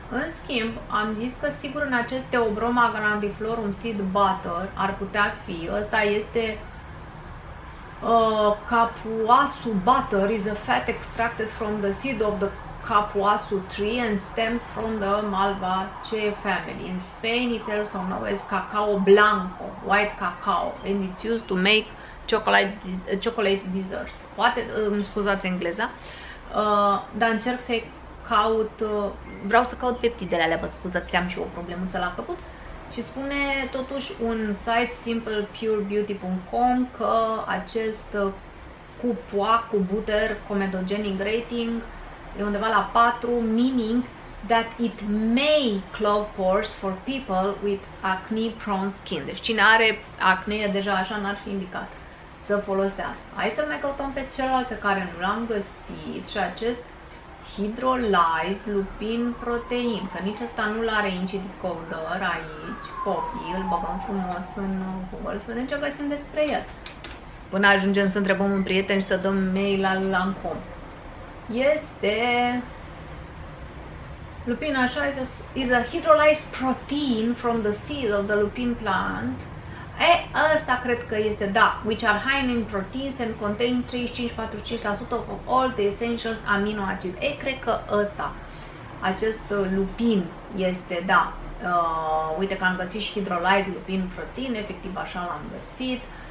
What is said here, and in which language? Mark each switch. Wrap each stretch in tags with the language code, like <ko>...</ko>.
<ro>În schimb, am zis că sigur în acest Teobroma grandiflorum seed butter ar putea fi. Ăsta este</ro> <en>capuasu butter is a fat extracted from the seed of the capuasu tree and stems from the Malvaceae family. In Spain, it's also known as cacao blanco, white cacao, and it's used to make chocolate desserts.</en> <ro>Poate, scuzați engleza, dar încerc să-i caut, vreau să caut peptidele alea, vă scuzați, am și o problemuță la căpuț. Și spune totuși un site, simplepurebeauty.com, că acest cu butter comedogenic rating e undeva la 4,</ro> <en>meaning that it may clog pores for people with acne-prone skin.</en> <ro>Deci cine are acne deja așa, n-ar fi indicat să folosească. Hai să mai căutăm pe celălalt pe care nu l-am găsit și acest hydrolyzed lupin protein, că nici ăsta nu l-are Inci Decoder aici, copii, îl băgăm frumos în Google să vedem ce găsim despre el. Până ajungem să întrebăm un prieten și să dăm mail la Lancome. Este lupin, așa,</ro> <en>is a hydrolyzed protein from the seed of the lupin plant.</en> <ro>E, ăsta cred că este, da,</ro> <en>which are high in proteins and contain 35-45% of all the essential amino acids.</en> <ro>E, cred că ăsta, acest lupin este, da, uite că am găsit și hydrolyzed lupin protein, efectiv așa l-am găsit.</ro>